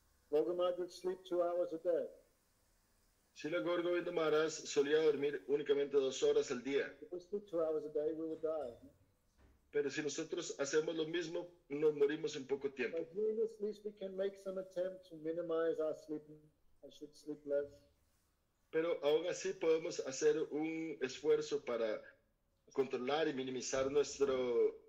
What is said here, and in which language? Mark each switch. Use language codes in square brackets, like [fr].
[en] Gauri Maharaj would sleep 2 hours a day. [es] Srila Gaur Govinda Maharaj solía dormir únicamente 2 horas al día. [en] If we sleep 2 hours a day, we would die. [es] Pero si nosotros hacemos lo mismo, nos morimos en poco tiempo. [en] By doing this, at least we can make some attempt to minimize our sleeping. I should sleep less. [es] Pero aún así podemos hacer un esfuerzo para controlar y minimizar nuestro